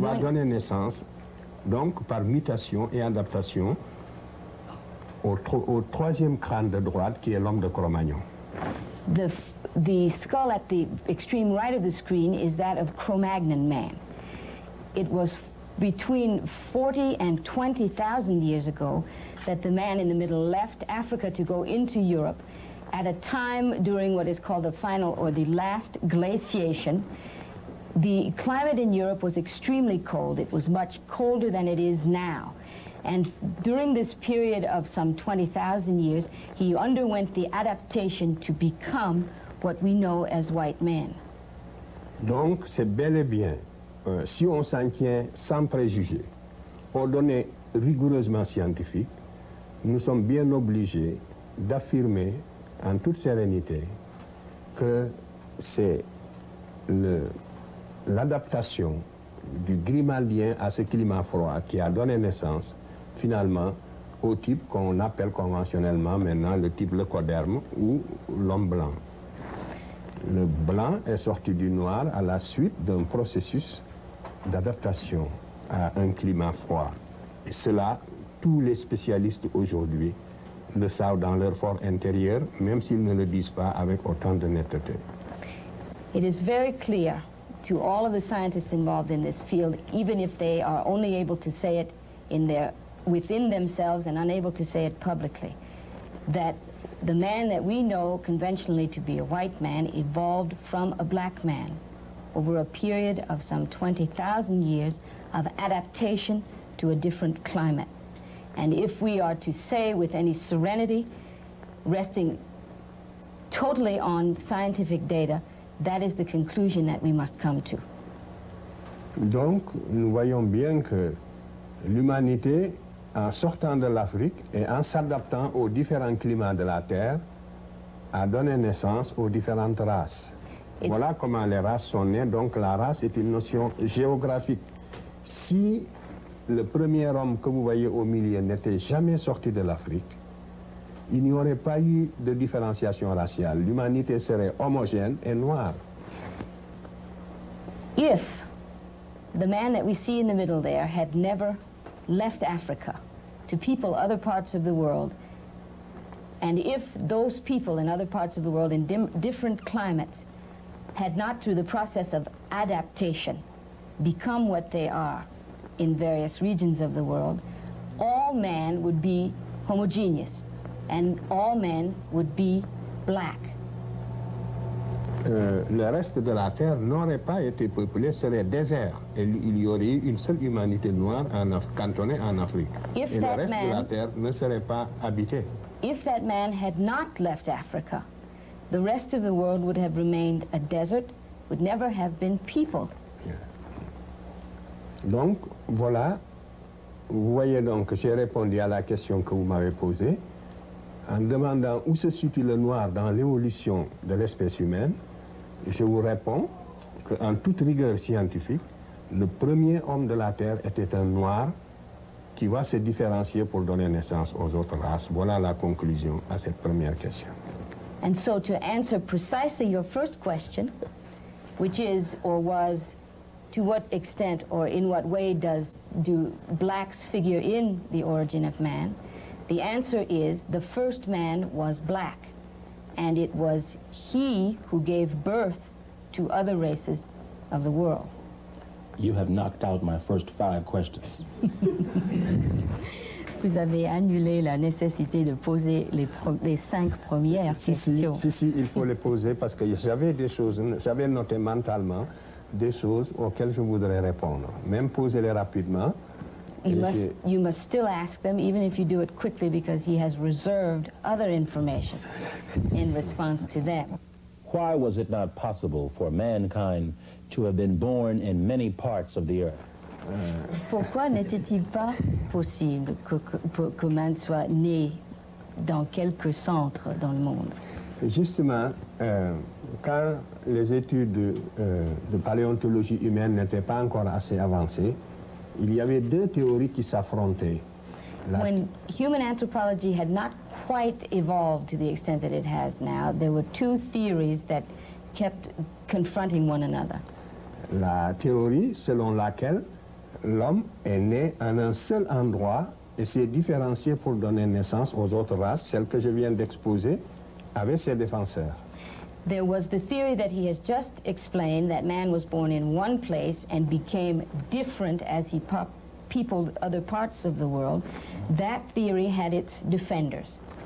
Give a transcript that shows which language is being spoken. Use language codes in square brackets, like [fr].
[fr] va donner naissance, donc par mutation et adaptation, au troisième crâne de droite qui est l'homme de Cro-Magnon. [en] The skull at the extreme right of the screen is that of Cro-Magnon man. It was between 40 and 20,000 years ago that the man in the middle left Africa to go into Europe at a time during what is called the final or the last glaciation. The climate in Europe was extremely cold. It was much colder than it is now. And during this period of some 20,000 years, he underwent the adaptation to become what we know as white man. [fr] Donc, c'est bel et bien, si on s'en tient sans préjugés, aux données rigoureusement scientifiques, nous sommes bien obligés d'affirmer en toute sérénité que c'est l'adaptation du Grimaldien à ce climat froid qui a donné naissance finalement au type qu'on appelle conventionnellement maintenant le type leucoderme ou l'homme blanc. Le blanc est sorti du noir à la suite d'un processus d'adaptation à un climat froid. Et cela, tous les spécialistes aujourd'hui le savent dans leur fort intérieur, même s'ils ne le disent pas avec autant de netteté. [en] It is very clear to all of the scientists involved in this field, even if they are only able to say it in their within themselves and unable to say it publicly, that the man that we know conventionally to be a white man evolved from a black man over a period of some 20,000 years of adaptation to a different climate. And if we are to say with any serenity, resting totally on scientific data, that is the conclusion that we must come to. [fr] Donc, nous voyons bien que l'humanité, en sortant de l'Afrique et en s'adaptant aux différents climats de la Terre, a donné naissance aux différentes races. Voilà comment les races sont nées. Donc, la race est une notion géographique. Si le premier homme que vous voyez au milieu n'était jamais sorti de l'Afrique, il n'y aurait pas eu de différenciation raciale. L'humanité serait homogène et noire. [en] If the man that we see in the middle there had never left Africa to people other parts of the world, and if those people in other parts of the world in different climates had not through the process of adaptation become what they are in various regions of the world, all man would be homogeneous. And all men would be black. [fr] Le reste de la Terre n'aurait pas été peuplé, serait désert. Et il y aurait eu une seule humanité noire en cantonnée en Afrique. [en] If [fr] et le reste [en] man, [fr] de la Terre ne serait pas habité. [en] If that man had not left Africa, the rest of the world would have remained a desert, would never have been peopled. Yeah. [fr] Donc, voilà, vous voyez donc que j'ai répondu à la question que vous m'avez posée. En demandant où se situe le noir dans l'évolution de l'espèce humaine, je vous réponds qu'en toute rigueur scientifique, le premier homme de la Terre était un noir qui va se différencier pour donner naissance aux autres races. Voilà la conclusion à cette première question. [en] And so to answer precisely your first question, which is or was, to what extent or in what way do blacks figure in the origin of man? The answer is the first man was black, and it was he who gave birth to other races of the world. You have knocked out my first five questions. [fr] Vous avez annulé la nécessité de poser les cinq premières questions. Si, il faut les poser parce que j'avais noté mentalement des choses auxquelles je voudrais répondre, même poser-les rapidement. [en] You must still ask them, even if you do it quickly, because he has reserved other information in response to them. Why was it not possible for mankind to have been born in many parts of the earth? [fr] Pourquoi n'était-il pas possible que man soit né dans quelques centres dans le monde? Justement, quand les études de paléontologie humaine n'étaient pas encore assez avancées, il y avait deux théories qui s'affrontaient. [en] When human anthropology had not quite evolved to the extent that it has now, there were two theories that kept confronting one another. [fr] La théorie selon laquelle l'homme est né en un seul endroit et s'est différencié pour donner naissance aux autres races, celle que je viens d'exposer, avait ses défenseurs. [en] There was the theory that he has just explained, that man was born in one place and became different as he peopled other parts of the world. That theory had its defenders.